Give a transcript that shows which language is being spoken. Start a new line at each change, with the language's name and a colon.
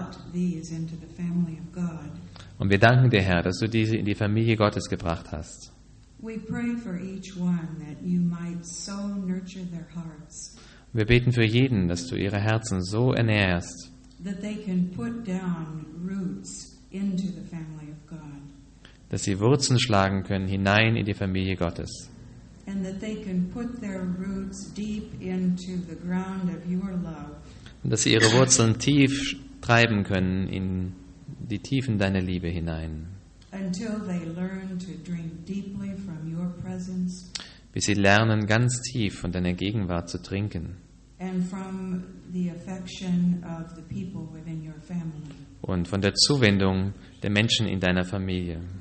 German: Und wir danken dir, Herr, dass du diese in die Familie Gottes gebracht hast.
English: We pray for each one that you might so nurture their hearts.
German: Wir beten für jeden, dass du ihre Herzen so ernährst,
English: that they can put down roots into the family of God.
German: Dass sie Wurzeln schlagen können hinein in die Familie Gottes.
English: And that they can put their roots deep into the ground of your love.
German: Und dass sie ihre Wurzeln tief treiben können in die Tiefen deiner Liebe hinein.
English: Until they learn to drink deeply from your presence.
German: Bis sie lernen, ganz tief von deiner Gegenwart zu trinken. Und von der Zuwendung der Menschen in deiner Familie.